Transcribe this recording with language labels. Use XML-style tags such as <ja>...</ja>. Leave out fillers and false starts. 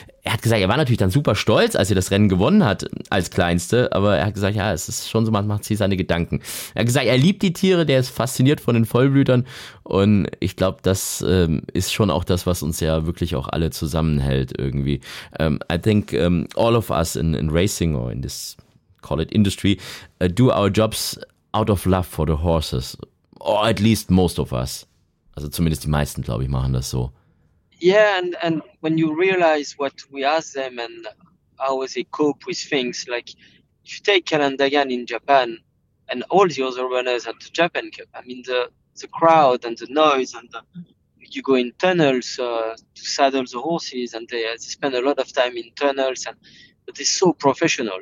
<de>Er hat gesagt, er war natürlich dann super stolz, als er das Rennen gewonnen hat als Kleinste, aber er hat gesagt, ja, es ist schon so, man macht sich seine Gedanken. Er hat gesagt, er liebt die Tiere, der ist fasziniert von den Vollblütern und ich glaube, das ist schon auch das, was uns ja wirklich auch alle zusammenhält irgendwie.</de> <en>I think all of us in racing or in this call it industry, do our jobs out of love for the horses, or at least most of us.</en> <de>Also zumindest die meisten, glaube ich, machen das so.</de> <en>Yeah, and when you realize what we ask them and how they cope with things, like you take Kalandagan in Japan and all the other runners at the Japan Cup, I mean, the crowd and the noise, and you go in tunnels to saddle the horses, and they spend a lot of time in tunnels, and but it's so professional.</en>